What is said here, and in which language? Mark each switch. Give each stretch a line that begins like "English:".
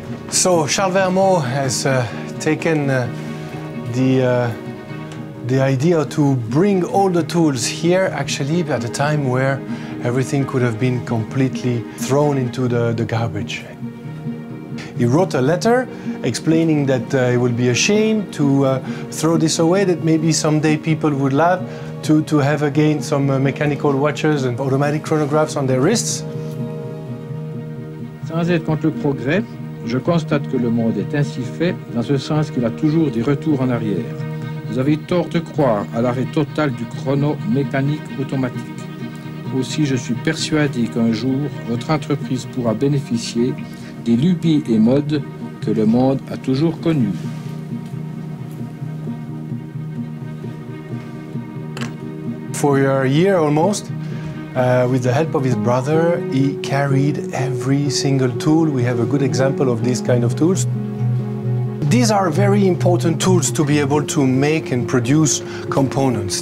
English: So Charles Vermont has taken the idea to bring all the tools here, actually, at a time where everything could have been completely thrown into the garbage. He wrote a letter explaining that it would be a shame to throw this away, that maybe someday people would love to have again some mechanical watches and automatic chronographs on their wrists.
French: Sans être contre le progrès, je constate que le monde est ainsi fait dans ce sens qu'il a toujours des retours en arrière. Vous avez tort de croire à l'arrêt total du chrono mécanique automatique. Aussi, je suis persuadé qu'un jour, votre entreprise pourra bénéficier des lubies et modes que le monde a toujours connues.
English: For a year almost, with the help of his brother, he carried every single tool. We have a good example of these kind of tools. These are very important tools to be able to make and produce components.